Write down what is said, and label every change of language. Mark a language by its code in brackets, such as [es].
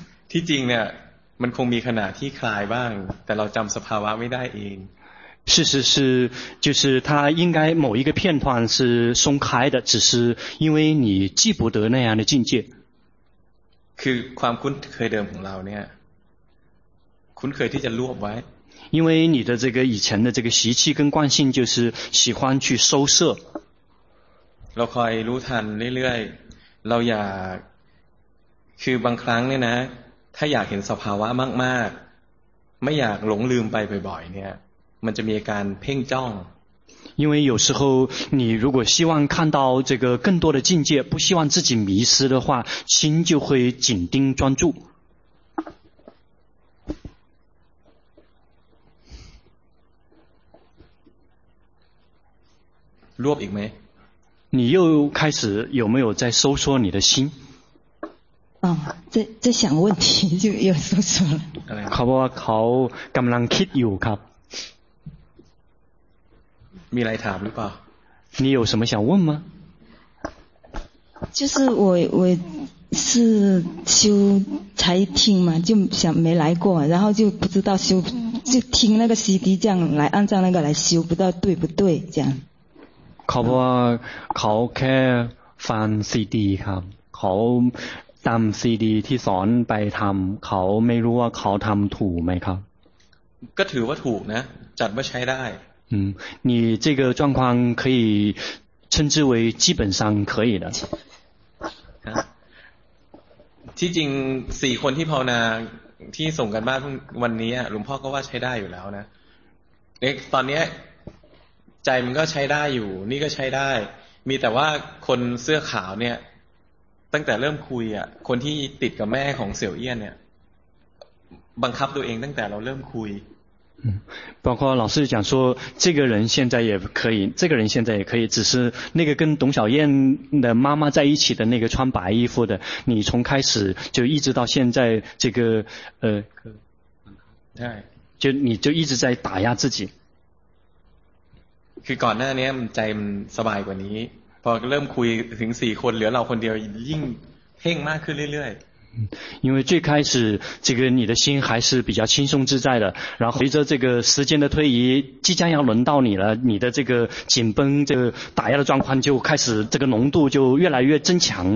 [th] ที่จริงเนี่ยมันคงมีขณะที่คลายบ้างแต่เราจำสภาวะไม่ได้เอง [zh] 事实是就是它应该某一个片段是松开的只是因为你记不得那样的境界 [th] คือความคุ้นเคยเดิมของเราเนี่ยคุ้นเคยที่จะรวบไว้ [zh] 因为你的这个以前的这个习气跟惯性就是喜欢去收摄 [th] เราคอยรู้ทันเรื่อยๆเราอยากคือบางครั้งเนี่ยนะถ้าอยากเห็นสภาวะมากๆไม่อยากหลงลืมไปบ่อยๆเนี่ยมันจะมีการเพ่งจ้อง [zh] 因为有时候你如果希望看到这个更多的境界不希望自己迷失的话心就会紧盯专注 [th] รวบอีกไหม [zh] 你又开始有没有在收缩你的心在想问题就又收缩了好不好好 [th] กำลังคิดอยู่ครับ มีอะไรถามหรือเปล่า [zh] 你有什么想问吗就是我是修才听嘛就想没来过然后就不知道修就听那个 CD 这样来按照那个来修不知道对不对这样 [th] เขาบอกเขาแค่ฟัง CD ครับเขาตาม CD ที่สอนไปทำเขาไม่รู้ว่าเขาทำถูกไหมครับ ก็ถือว่าถูกนะจัดว่าใช้ได้ [zh] 嗯你这个状况可以称之为基本上可以的。 [th] ที่จริง4คนที่ภาวนาที่ส่งกันบ้านวันนี้หลวงพ่อก็ว่าใช้ได้อยู่แล้วนะเอ๊ะตอนนี้ใจมันก็ใช้ได้อยู่นี่ก็ใช้ได้มีแต่ว่าคนเสื้อขาวเนี่ยตั้งแต่เริ่มคุยอ่ะคนที่ติดกับแม่ของเสี่ยวเอี้ยนเนี่ยบังคับตัวเองตั้งแต่เราเริ่มคุย [zh] 包括老师讲说这个人现在也可以这个人现在也可以只是那个跟董小燕的妈妈在一起的那个穿白衣服的你从开始就一直到现在这个就你就一直在打压自己 [th] คือก่อนหน้านี้ใจมันสบายกว่านี้พอเริ่มคุยถึง4คนเหลือเราคนเดียวยิ่งเพ่งมากขึ้นเรื่อยๆ [zh] 因为最开始这个你的心还是比较轻松自在的然后随着这个时间的推移即将要轮到你了你的这个紧绷这个打压的状况就开始这个浓度就越来越增强